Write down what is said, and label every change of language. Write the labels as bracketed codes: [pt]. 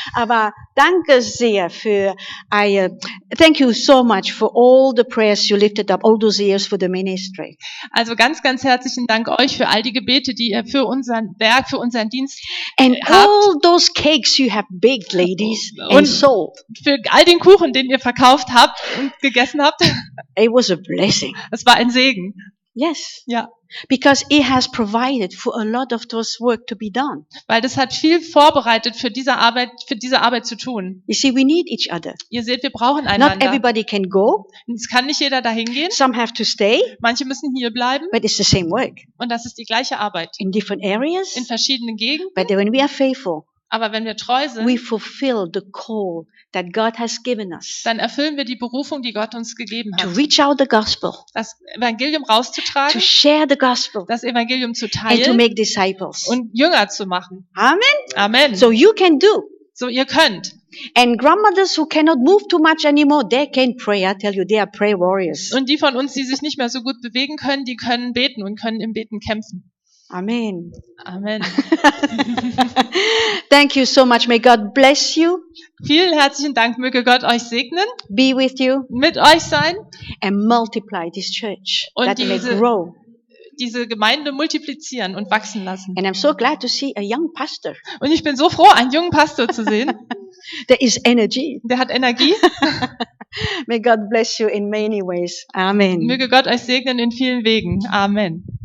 [de] Aber danke sehr für eure, [en] thank you so much for all the prayers you lifted up, all those years for the ministry. [de] Also ganz, ganz herzlichen Dank euch für all die Gebete, die ihr für unseren Werk, für unseren Dienst [en] and habt. All those cakes you have baked, ladies, [de] und [en] and sold. [de] Für all den Kuchen, den ihr verkauft habt und gegessen habt. [en] It was a blessing. [de] Es war ein Segen. [en] Yes. [de] Ja. [en] Because it has provided for a lot of those work to be done. [de] Weil das hat viel vorbereitet für diese Arbeit zu tun. [en] You see, we need each other. [de] Ihr seht, wir brauchen einander. [en] Not everybody can go. [de] Es kann nicht jeder dahin gehen. [en] Some have to stay. [de] Manche müssen hier bleiben. [en] But it's the same work. [de] Und das ist die gleiche Arbeit. [en] In different areas. [de] In verschiedenen Gegenden. [en] But when we are faithful. [de] Aber wenn wir treu sind, [en] we fulfill the call that God has given us, [de] dann erfüllen wir die Berufung, die Gott uns gegeben hat, [en] to reach out the gospel, [de] das Evangelium rauszutragen, [en] to share the gospel, [de] das Evangelium zu teilen, [en] and to make disciples, [de] und Jünger zu machen. [en] Amen. [de] Amen. [en] So you can do. [de] So ihr könnt. [en] And grandmothers who cannot move too much anymore, they can pray. I tell you, they are prayer warriors. [de] Und die von uns, die sich nicht mehr so gut bewegen können, die können beten und können im Beten kämpfen. [en] Amen. [de] Amen. [en] Thank you so much. May God bless you. [de] Vielen herzlichen Dank. Möge Gott euch segnen. [en] Be with you. [de] Mit euch sein. [en] And multiply this church. [de] Und that diese, [en] may grow. [de] Diese Gemeinde multiplizieren und wachsen lassen. [en] And I'm so glad to see a young pastor. [de] Und ich bin so froh, einen jungen Pastor zu sehen. [en] There is energy. [de] Der hat Energie. [en] May God bless you in many ways. Amen. [de] Möge Gott euch segnen in vielen Wegen. Amen.